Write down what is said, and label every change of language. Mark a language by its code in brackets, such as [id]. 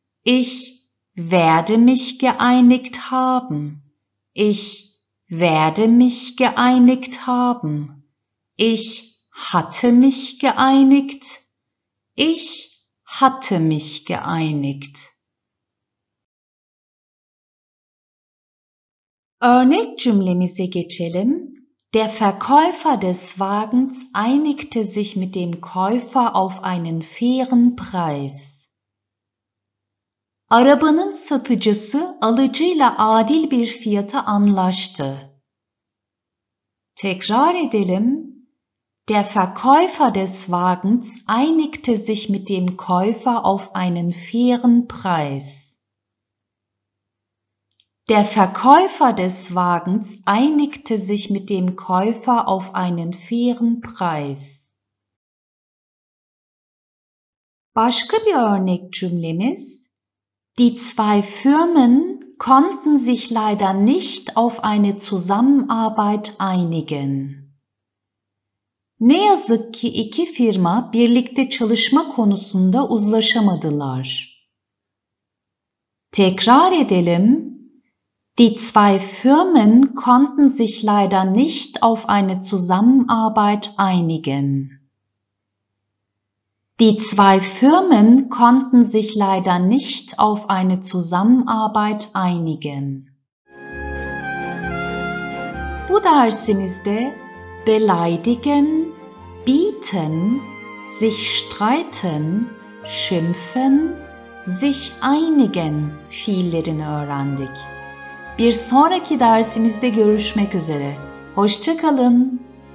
[de] Ich werde mich geeinigt haben. Ich werde mich geeinigt haben. Ich hatte mich geeinigt. Ich hatte mich geeinigt. [tr] Örnek cümlemize geçelim. [de] Der Verkäufer des Wagens einigte sich mit dem Käufer auf einen fairen Preis. [tr] Arabanın satıcısı alıcıyla adil bir fiyata anlaştı. Tekrar edelim. [de] Der Verkäufer des Wagens einigte sich mit dem Käufer auf einen fairen Preis. Der Verkäufer des Wagens einigte sich mit dem Käufer auf einen fairen Preis. [tr] Başka bir örnek cümlemiz. [de] Die zwei Firmen konnten sich leider nicht auf eine Zusammenarbeit einigen. [tr] Ne yazık ki iki firma birlikte çalışma konusunda uzlaşamadılar. Tekrar edelim. [de] Die zwei Firmen konnten sich leider nicht auf eine Zusammenarbeit einigen. Die zwei Firmen konnten sich leider nicht auf eine Zusammenarbeit einigen. [tr] Bu dersimizde beleidigen, bieten, sich streiten, schimpfen, sich einigen fiillerini öğrendik. Bir sonraki dersimizde görüşmek üzere. Hoşça kalın.